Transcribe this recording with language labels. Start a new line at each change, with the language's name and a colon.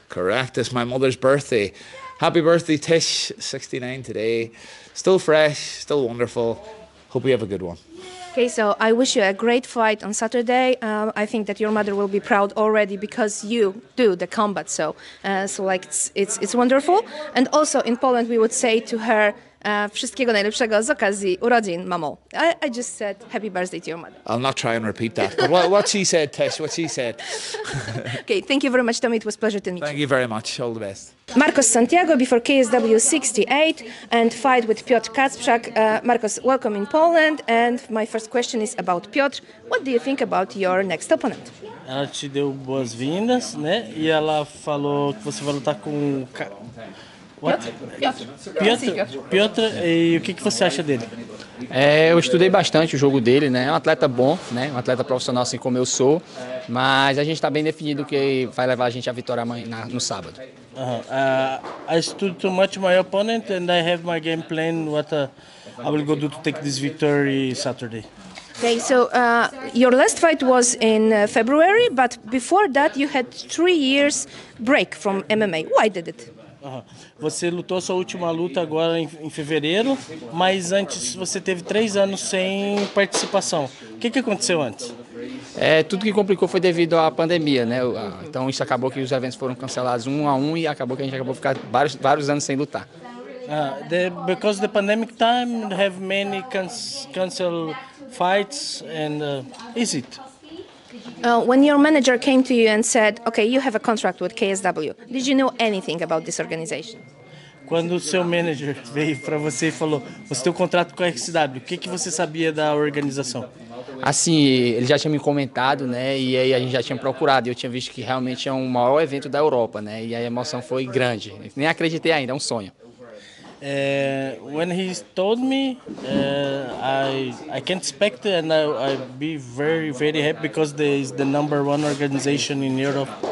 English: Correct. It's my mother's birthday. Happy birthday, Tish. 69 today. Still fresh, still wonderful. Hope you have a good one. Okay, so I wish you a great fight on Saturday. I think that your mother will be proud already because you do the combat. So it's wonderful. And also in Poland, we would say to her,
Polish: wszystkiego najlepszego z okazji urodzin, mamo.
English: I just said happy birthday to your mother. I'll not try and repeat that. But what she said, Tish, what she said. Okay, thank you very much, Tommy. It was a pleasure to meet you. Thank you very much. All the best. Marcos Santiago before KSW 68 and fight with Piotr Kacprzak. Marcos, welcome in Poland. And my first question is about Piotr. What do you think about your next opponent?
Portuguese: Ela te deu boas-vindas, né? E ela falou que você vai lutar com... Piotr, e o que você acha dele? Eu estudei bastante o jogo dele, né? É um atleta bom, né? Um atleta profissional assim como eu sou, mas a gente está bem definido que vai levar a gente à vitória amanhã no sábado.
English: I studied too much my opponent and I have my game plan what I will go do to take this victory Saturday. Okay, so your last fight was in February, but before that you had 3 years break from MMA. Why did it?
Portuguese: Você lutou sua última luta agora em fevereiro, mas antes você teve 3 anos sem participação. O que aconteceu antes? Tudo que complicou foi devido à pandemia, né? Então isso acabou que os eventos foram cancelados um a um e acabou que a gente acabou ficar vários anos sem lutar.
English: Because the pandemic time, have many cancel fights and is it? When your manager came to you and said, "Okay, you have a contract with KSW," did you know anything about this organization?
Portuguese: Quando seu manager veio para você e falou, "Você tem um contrato com a KSW," o que você sabia da organização? Assim, ele já tinha me comentado, né? E aí a gente já tinha procurado. E eu tinha visto que realmente é um maior evento da Europa, né? E a emoção foi grande. Nem acreditei ainda, é um sonho.
English: When he told me, I can't expect it, and I'd be very, very happy because there is the number one organization in Europe.